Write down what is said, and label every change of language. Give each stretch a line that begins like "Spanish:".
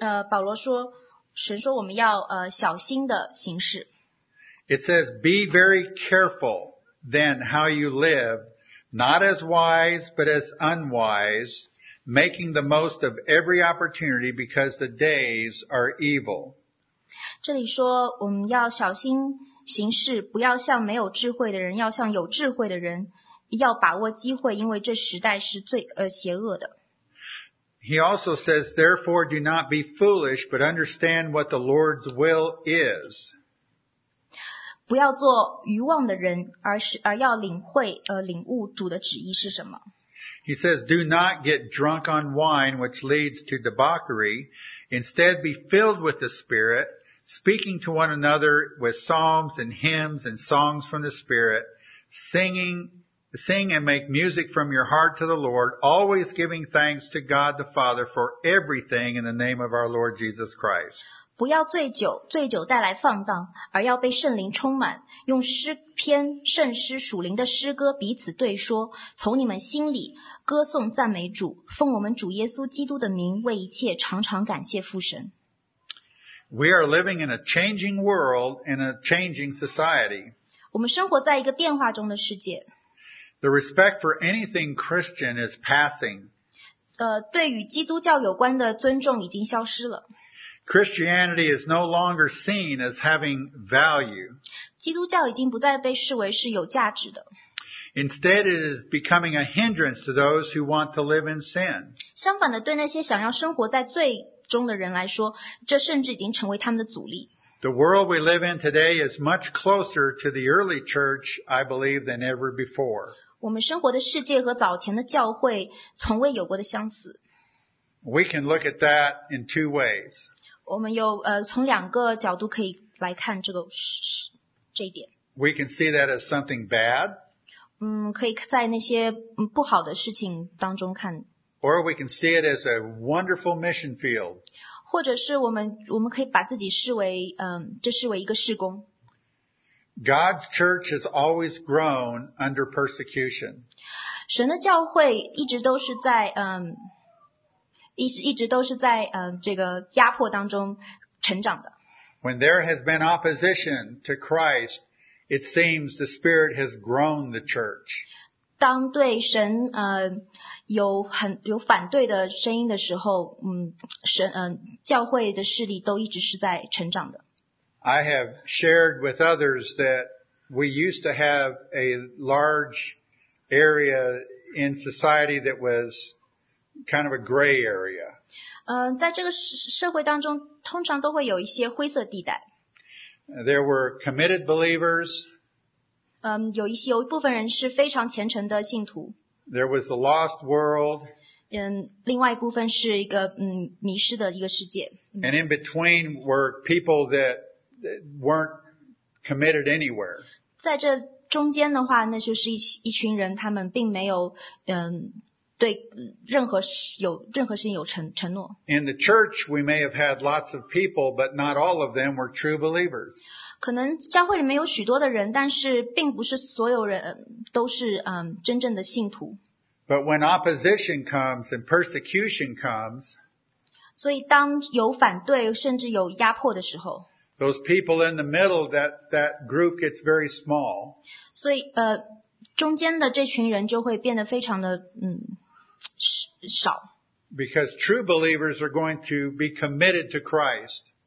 Chinese: 保罗说，神说我们要小心的行事。
English: It says, be very careful then how you live, not as wise but as unwise, making the most of every opportunity because the days are evil.
Chinese: 这里说我们要小心 行事，不要像没有智慧的人，要像有智慧的人，要把握机会，因为这时代是邪恶的。
English: He also says, therefore, do not be foolish, but understand what the Lord's will is.
Chinese: 不要做愚妄的人，而要领悟主的旨意是什么。
English: He says, do not get drunk on wine, which leads to debauchery. Instead, be filled with the Spirit, speaking to one another with psalms and hymns and songs from the Spirit, sing and make music from your heart to the Lord, always giving thanks to God the Father for everything in the name of our Lord Jesus Christ.
Chinese: 不要醉酒，醉酒带来放荡，而要被圣灵充满，用诗篇、圣诗、属灵的诗歌彼此对说，从你们心里歌颂赞美主，奉我们主耶稣基督的名为一切常常感谢父神。
English: We are living in a changing world and a changing society.
Chinese: 我们生活在一个变化中的世界。
English: The respect for anything Christian is passing.
Chinese: 对与基督教有关的尊重已经消失了。
English: Christianity is no longer seen as having value.
Chinese: 基督教已经不再被视为是有价值的。
English: Instead, it is becoming a hindrance to those who want to live in sin.
Chinese: 相反的，对那些想要生活在罪中的人来说，这甚至已经成为他们的阻力。
English: The world we live in today is much closer to the early church, I believe, than ever before.
Chinese: 我们生活的世界和早前的教会从未有过的相似。
English: We can look at that in two ways.
Chinese: 我们有从两个角度可以来看这一点。
English: We can see that as something bad.
Chinese: 可以在那些不好的事情当中看。
English: Or we can see it as a wonderful mission field.
Chinese: 或者是我们可以把自己视为这视为一个事工。
English: God's church has always grown under persecution.
Chinese: 神的教会一直都是在一直都是在这个压迫当中成长的。
English: When there has been opposition to Christ, it seems the Spirit has grown the church.
Chinese: 当对神有反对的声音的时候，教会的势力都一直是在成长的。
English: I have shared with others that we used to have a large area in society that was. Kind of a gray area.
Chinese: 在这个社会当中，通常都会有一些灰色地带。
English: There were committed believers.
Chinese: 有一部分人是非常虔诚的信徒。
English: There was the lost world.
Chinese: 另外一部分是一个迷失的一个世界。
English: And in between were people that weren't committed anywhere.
Chinese: 在这中间的话，那就是一群人，他们并没有对任何事情有承诺。
English: In the church, we may have had lots of people, but not all of them were true believers.
Chinese: 可能教会里面有许多的人，但是并不是所有人都是真正的信徒。
English: But when opposition comes and persecution comes,
Chinese: 所以当有反对甚至有压迫的时候，
English: those people in the middle, that group gets very small.
Chinese: 所以中间的这群人就会变得非常的少。
English: Because true believers are going to be committed to Christ.